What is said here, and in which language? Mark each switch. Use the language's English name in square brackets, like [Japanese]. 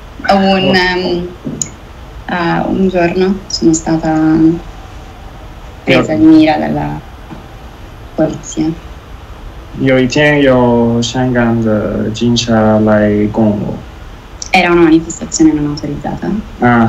[Italian] un giorno sono stata presa di mira dalla polizia。 [Chinese] 有一天有香港的警察来攻我。 [Italian] Era una manifestazione non autorizzata。